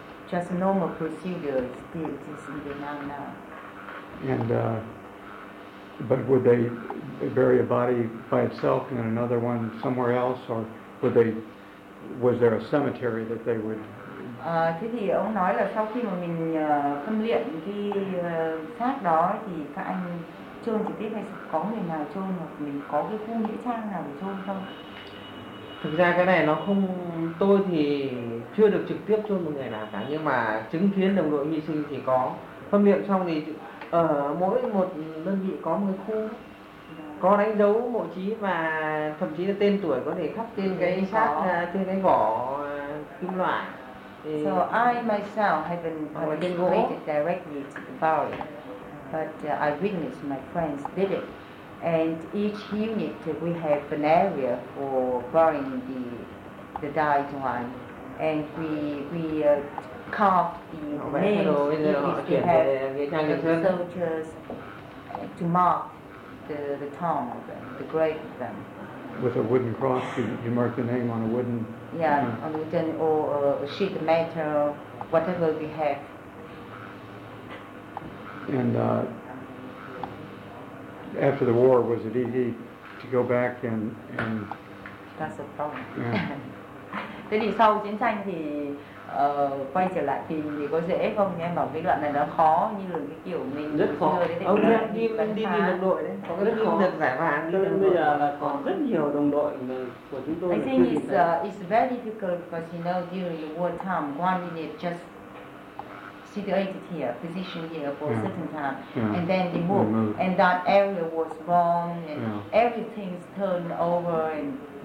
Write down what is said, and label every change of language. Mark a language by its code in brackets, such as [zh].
[en] Just normal procedure still exists in Vietnam now. And, but would they bury a body by itself and another one somewhere else, or would they, was there a cemetery that they would? [vi] Thế thì ông nói là sau khi mà mình phân liệm cái xác đó thì các anh chôn trực tiếp hay có người nào chôn hoặc mình có cái khu nghĩa trang nào để chôn không? Thực ra cái này nó không, tôi thì chưa được trực tiếp chôn một người nào cả, nhưng mà chứng kiến đồng đội hy sinh thì có. Phân liệm xong thì ở mỗi một đơn vị có một khu có đánh dấu mộ trí và thậm chí là tên tuổi có thể khắc trên cái xác, trên cái vỏ kim loại. [en] So I myself haven't been directly to the body, but I witnessed my friends did it. And each unit we have an area for burying the died one, and we carved the names if you have the soldiers to mark the tomb of them, the grave of them. With a wooden cross, you mark the name on a wooden... Yeah, a wooden or a sheet of metal, whatever we have. And after the war, was it easy to go back and... That's a problem. [vi] Thế thì sau chiến tranh thì quay trở lại tìm thì có dễ không? Nghe bảo cái đoạn này nó khó như là cái kiểu mình rất khó. Ông đi đi đồng đội đấy, có rất khó. Được giải hạn. Bây giờ là còn rất nhiều đồng đội của chúng tôi. [en] I think it's very difficult because you know during the war time, one unit just situated here, positioned here for a certain time, and then they move, and that area was wrong, and everything's turned over and.